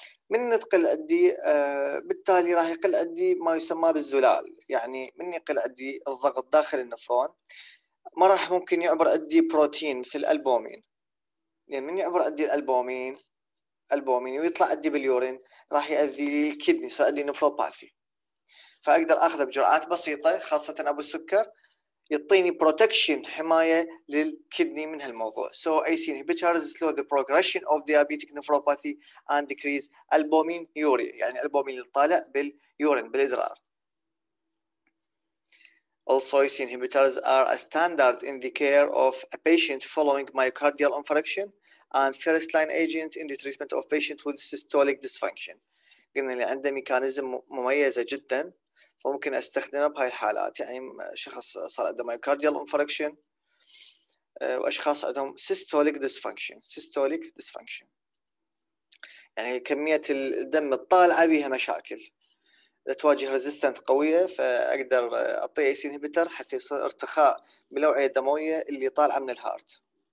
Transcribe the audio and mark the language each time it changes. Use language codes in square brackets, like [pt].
[ar] من تقل أدي بالتالي راح يقل أدي ما يسمى بالزلال، يعني من يقل أدي الضغط داخل النفرون ما راح ممكن يعبر أدي بروتين في الألبومين، يعني من يعبر أدي الألبومين ويطلع أدي باليورين راح يأذي الكدني، صار أدي نفروباثي. فأقدر أخذ بجرعات بسيطة خاصة أبو السكر يعطيني بروتكشن، حماية للكدني من هالموضوع. [en] So AC inhibitors slow the progression of diabetic nephropathy and decrease albumin urea، [ar] يعني البومين اللي طالع باليورين بالإدرار. [en] Also AC inhibitors are a standard in the care of a patient following myocardial infarction and first line agent in the treatment of patient with systolic dysfunction. [ar] قلنا اللي عنده ميكانيزم مميزة جدا فممكن استخدمه بهاي الحالات، يعني شخص صار عنده مايوكارديال انفاركشن واشخاص عندهم سيستوليك ديسفانكشن، يعني كميه الدم الطالعه بيها مشاكل، اذا تواجه ريزيستنت قويه فاقدر اعطي اي سي انهبيتر حتى يصير ارتخاء بالاوعيه الدمويه اللي طالعه من الهارت.